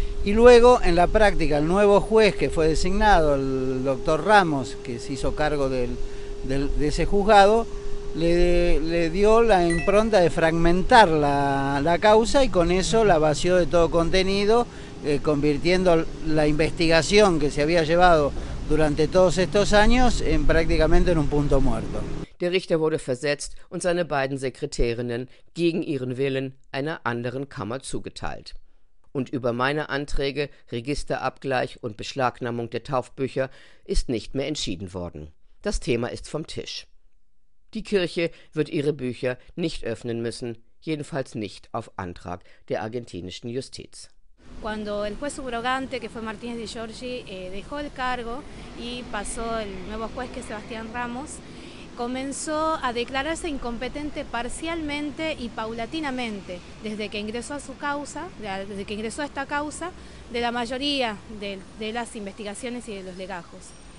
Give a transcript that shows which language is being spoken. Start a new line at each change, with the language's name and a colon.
Spanish: Y luego, en la práctica, el nuevo juez que fue designado, el doctor Ramos, que se hizo cargo de ese juzgado, le dio la impronta de fragmentar la causa y con eso la vació de todo contenido, convirtiendo la investigación que se había llevado durante todos estos años en prácticamente en un punto muerto.
German: Der Richter wurde versetzt und seine beiden Sekretärinnen gegen ihren Willen einer anderen Kammer zugeteilt. Und über meine Anträge, Registerabgleich und Beschlagnahmung der Taufbücher ist nicht mehr entschieden worden. Das Thema ist vom Tisch. Die Kirche wird ihre Bücher nicht öffnen müssen, jedenfalls nicht auf Antrag der argentinischen Justiz.
Spanish: Cuando el juez subrogante, que fue Martínez Di Giorgi, dejó el cargo y pasó el nuevo juez, que es Sebastián Ramos, comenzó a declararse incompetente parcialmente y paulatinamente desde que ingresó a su causa, desde que ingresó a esta causa, de la mayoría de las investigaciones y de los legajos.